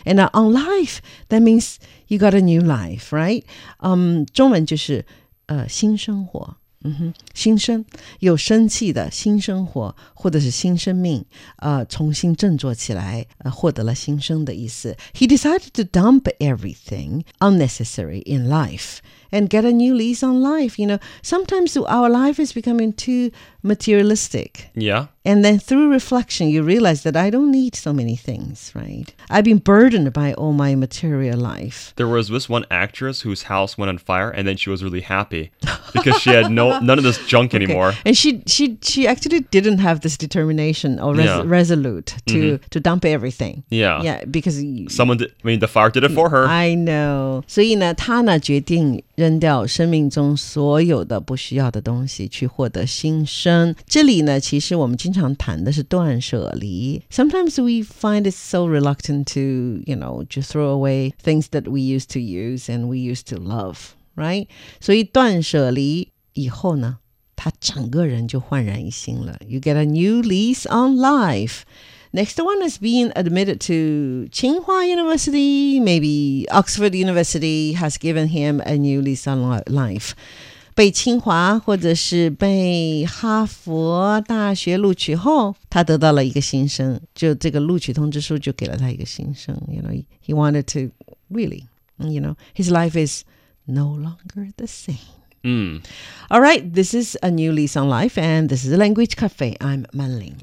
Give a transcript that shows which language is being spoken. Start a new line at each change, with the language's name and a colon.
English: And on life, that means you got a new life, right?
Chinese: 中文就是新生活。新生，有生气的新生活，或者是新生命，重新振作起来，获得了新生的意思。
English: He decided to dump everything unnecessary in life and get a new lease on life. You know, sometimes our life is becoming too materialistic. Yeah. And then through reflection, you realize that I don't need so many things, right? I've been burdened by all my material life. There was this one actress whose house went on fire, and then she was really happy because she had none of this junk anymore. And she actually didn't have this determination or resolute to dump everything. Yeah. Yeah, because... Someone did, I mean, the fire did it for her. I know. So,
Chinese: 她呢决定... 扔掉生命中所有的不需要的东西去获得新生。这里呢，其实我们经常谈的是断舍离。
English: Sometimes we find it so reluctant to, you know, just throw away things that we used to use and we used to love, right?
Chinese: 所以断舍离以后呢，他整个人就焕然一新了。
English: You get a new lease on life. Next one is being admitted to Tsinghua University, maybe Oxford University has given him a new lease on life.
Chinese: 被Tsinghua或者是被哈佛大学录取后，他得到了一个新生，就这个录取通知书就给了他一个新生。
English: You know, he wanted to really, you know, his life is no longer the same. All right, this is a new lease on life, and this is a Language Cafe. I'm Manling.